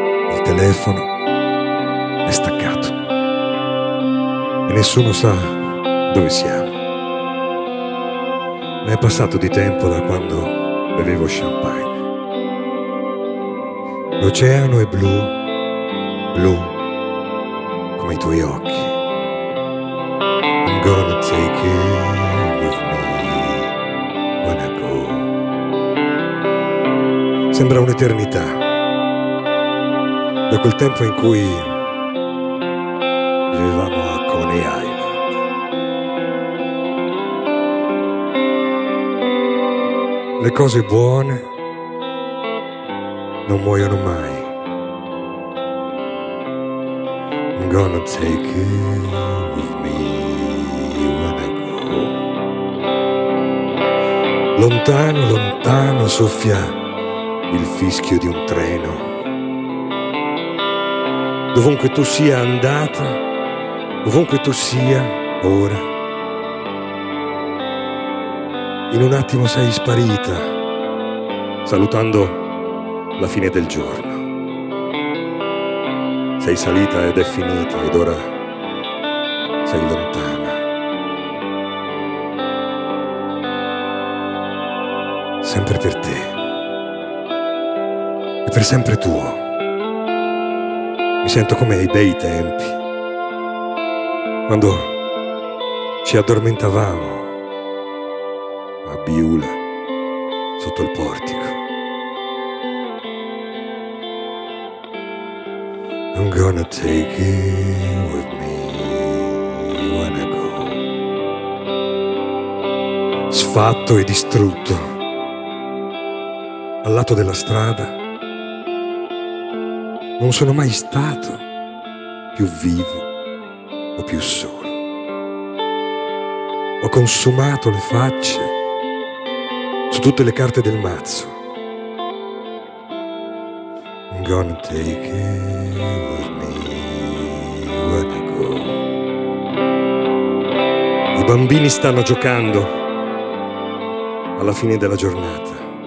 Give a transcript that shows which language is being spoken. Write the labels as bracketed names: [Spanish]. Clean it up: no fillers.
[Italian] Il telefono è staccato e nessuno sa dove siamo. Ne è passato di tempo da quando bevevo champagne. L'oceano è blu, blu come i tuoi occhi. [English] I'm gonna take you with me when I go. [Italian] Sembra un'eternità da quel tempo in cui vivevamo a Coney Island. Le cose buone non muoiono mai. [English] I'm gonna take you with me when I go. [Italian] Lontano, lontano soffia il fischio di un treno. Dovunque tu sia andata, ovunque tu sia ora, in un attimo sei sparita, salutando la fine del giorno. Sei salita ed è finita, ed ora sei lontana. Sempre per te. E per sempre tuo. Mi sento come ai bei tempi, quando ci addormentavamo a Biula sotto il portico. [English] I'm gonna take you with me when I go. [Italian] Sfatto e distrutto al lato della strada, non sono mai stato più vivo o più solo. Ho consumato le facce su tutte le carte del mazzo. [English] I'm gonna take it with me when I go. [Italian] I bambini stanno giocando alla fine della giornata.